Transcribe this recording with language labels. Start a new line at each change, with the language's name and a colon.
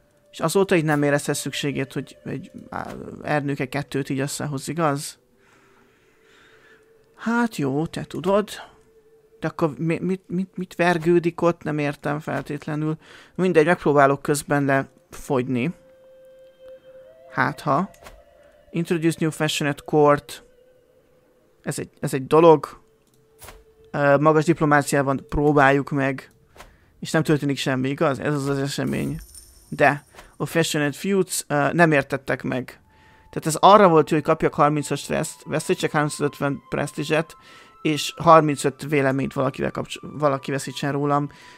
Hungarian: És azóta így nem érezte szükségét, hogy egy Ernőke 2-t így összehoz, igaz? Hát jó, te tudod. De akkor mit vergődik ott? Nem értem feltétlenül. Mindegy, megpróbálok közben lefogyni. Hátha.
English: Introduce new fashion at court.
Hungarian: Ez egy dolog. Magas diplomáciában próbáljuk meg. És nem történik semmi, igaz? Ez az esemény. De a fashion and feuds nem értettek meg. Tehát ez arra volt, hogy kapjak 30-as stresszt, veszítsek 350 prestizset, és 35 véleményt valaki veszítsen rólam.